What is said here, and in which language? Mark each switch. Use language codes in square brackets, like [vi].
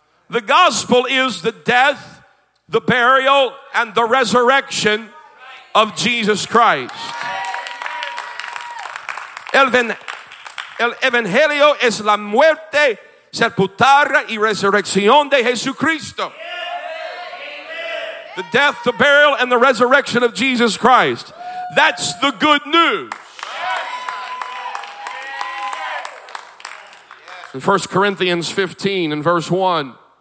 [en] The gospel is the death, the burial, and the resurrection of Jesus Christ. [es] El evangelio es la muerte, sepultura, y resurrección de Jesucristo. [en] The death, the burial, and the resurrection of Jesus Christ. That's the good news. In 1 Corinthians 15 and verse 1.